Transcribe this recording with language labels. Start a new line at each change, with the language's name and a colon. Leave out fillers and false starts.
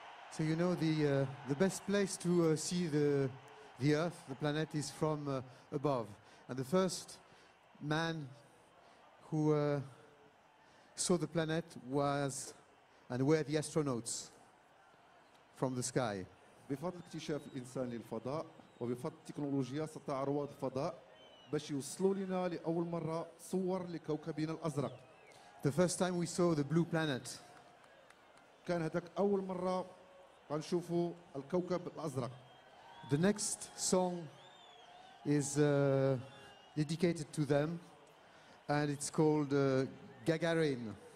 English: So you know the best place to see the Earth, the planet, is from above. And the first man who saw the planet was and were the astronauts from the sky.
Arabic: بفضل اكتشاف الإنسان للفضاء وبفضل التكنولوجيا استطاع رواد الفضاء باش يوصلوا لنا لأول مرة صور لكوكبنا الأزرق.
English: The first time we saw the blue planet.
Arabic: كان هذاك أول مرة غنشوفوا الكوكب الأزرق.
English: The next song is dedicated to them and it's called Gagarin.